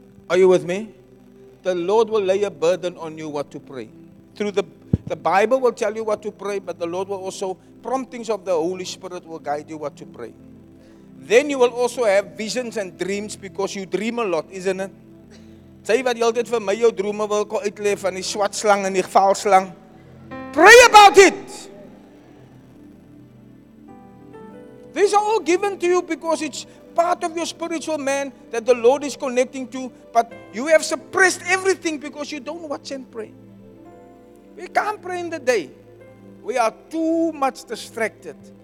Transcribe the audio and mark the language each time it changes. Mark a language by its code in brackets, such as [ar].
[en] Are you with me? The Lord will lay a burden on you what to pray. Through the Bible will tell you what to pray, but the Lord will also, promptings of the Holy Spirit will guide you what to pray. Then you will also have visions and dreams because you dream a lot, isn't it? [af] Say wat jy altyd vir my jou drome wil kon uitleef van die swart slang en die valslang. [en] Pray about it. These are all given to you because it's part of your spiritual man that the Lord is connecting to, but you have suppressed everything because you don't watch and pray. We can't pray in the day. We are too much distracted.